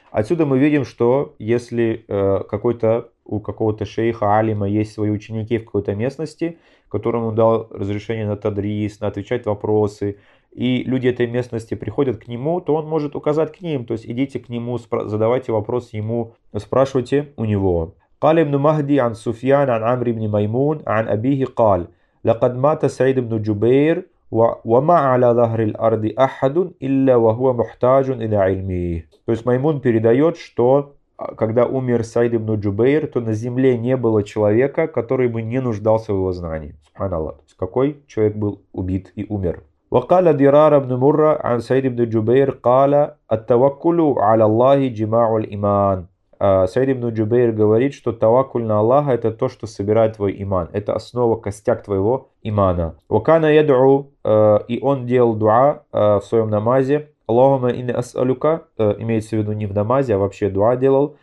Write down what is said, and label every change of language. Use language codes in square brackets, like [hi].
[ru] Отсюда мы видим, что если у какого-то шейха алима есть свои ученики в какой-то местности, которому дал разрешение на тадрис, на отвечать вопросы, и люди этой местности приходят к нему, то он может указать к ним, то есть идите к нему, задавайте вопрос ему, спрашивайте у него. [ar] قال ابن مهدي عن سفيان عن عمرو بن ميمون عن أبيه قال لقد مات سعيد بن جبير وما على ظهر الأرض أحد إلا وهو محتاج إلى علمه. [ru] То есть Маймун передает, что когда умер Саид ибн Джубейр, то на земле не было человека, который бы не нуждался в его знании. Субханаллах. То есть какой человек был убит и умер. [ar] وقال درار بن مرة عن سعيد بن جبير قال التوكل على الله جماع الإيمان. [ru] Саид ибн Джубейр говорит, что таваккуль на Аллаха это то, что собирает твой иман. Это основа, костяк твоего имана. [ar] Вакана ядуу, [ru] и он делал дуа в своем намазе. [ar] Аллахума инни асалюка, [ru] имеется в виду не в намазе, а вообще дуа делал.